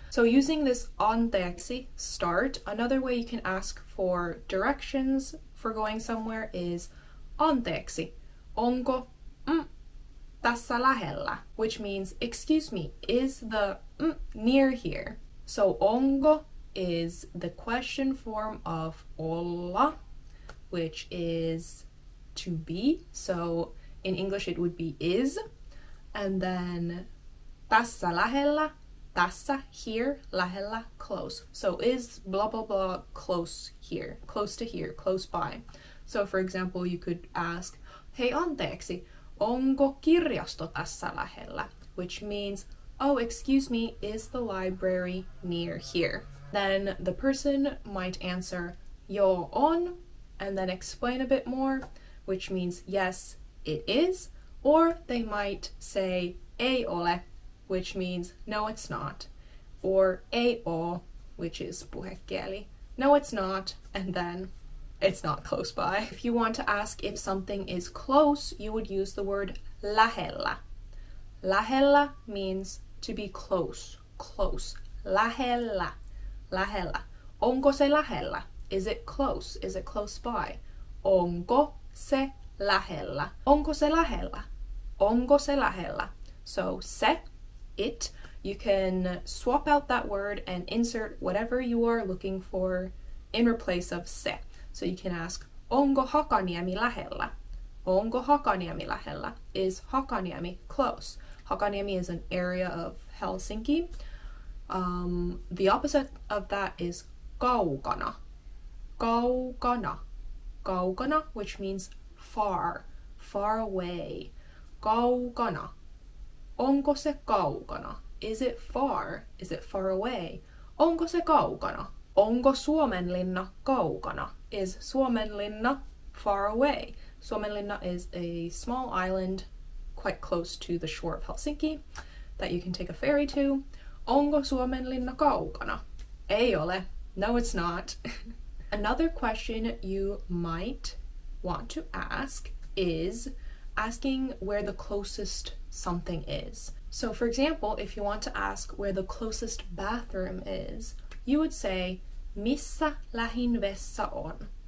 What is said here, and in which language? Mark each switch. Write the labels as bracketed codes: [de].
[en] So using this anteeksi start, another way you can ask for directions for going somewhere is [fi] anteeksi, onko tässä lähellä? [en] Which means, excuse me, is the near here? So onko is the question form of olla, which is to be. So in English it would be is. And then [fi] tässä lähellä, [en] tässä here, lähellä close. So is blah blah blah close here, close to here, close by. So, for example, you could ask, hey, [fi] anteeksi, onko kirjasto tässä lähellä? [en] Which means, oh, excuse me, is the library near here? Then the person might answer, [fi] joo, on, [en] and then explain a bit more, which means, yes, it is. Or they might say, [fi] ei ole, [en] which means, no, it's not. Or, [fi] ei oo, [en] which is puhekieli, no, it's not, and then it's not close by. If you want to ask if something is close, you would use the word lähellä. Lähellä means to be close, close. [fi] Lähellä, lähellä. Onko se lähellä? [en] Is it close? Is it close by? [fi] Onko se lähellä? Onko se lähellä? Onko se lähellä? [en] So se, it, you can swap out that word and insert whatever you are looking for in replace of se. So you can ask, [fi] onko Hakaniemi lähellä? Onko Hakaniemi lähellä? [en] Is Hakaniemi close? Hakaniemi is an area of Helsinki. The opposite of that is kaukana. Kaukana. Kaukana, which means far, far away. Kaukana. [fi] Onko se kaukana? [en] Is it far? Is it far away? [fi] Onko se kaukana? Onko Suomenlinna kaukana? [en] Is Suomenlinna far away? Suomenlinna is a small island quite close to the shore of Helsinki that you can take a ferry to. [fi] Onko Suomenlinna kaukana? Ei ole. [en] No, it's not. Another question you might want to ask is asking where the closest something is. So, for example, if you want to ask where the closest bathroom is, you would say, [fi] missä lähin vessa on?